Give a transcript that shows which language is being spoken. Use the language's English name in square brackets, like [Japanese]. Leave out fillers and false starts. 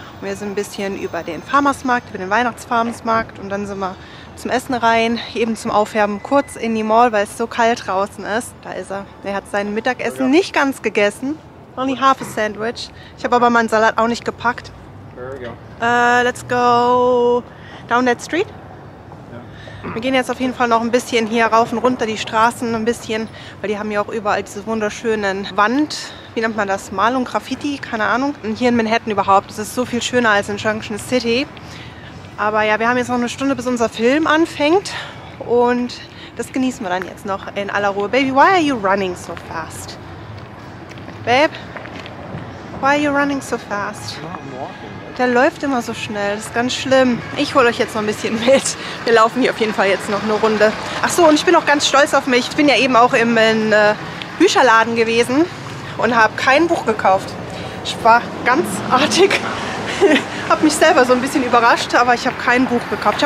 [German] Und wir sind ein bisschen über den Farmersmarkt, über den Weihnachtsfarmersmarkt und dann sind wir zum Essen rein, eben zum Aufwärmen kurz in die Mall, weil es so kalt draußen ist. Da ist er. Er hat sein Mittagessen nicht ganz gegessen. [English] Only half a sandwich. [German] Ich habe aber meinen Salat auch nicht gepackt. [English] Let's go down that street. [German] Wir gehen jetzt auf jeden Fall noch ein bisschen hier rauf und runter die Straßen ein bisschen, weil die haben ja auch überall diese wunderschönen Wand, wie nennt man das, Malung, Graffiti, keine Ahnung. Und hier in Manhattan überhaupt, das ist so viel schöner als in Junction City. Aber ja, wir haben jetzt noch eine Stunde, bis unser Film anfängt und das genießen wir dann jetzt noch in aller Ruhe. [English] Baby, why are you running so fast? Babe, why are you running so fast? [German] Der läuft immer so schnell, das ist ganz schlimm. Ich hole euch jetzt noch ein bisschen mit. Wir laufen hier auf jeden Fall jetzt noch eine Runde. Ach so, und ich bin auch ganz stolz auf mich. Ich bin ja eben auch im Bücherladen gewesen und habe kein Buch gekauft. Ich war ganz artig, habe mich selber so ein bisschen überrascht, aber ich habe kein Buch gekauft.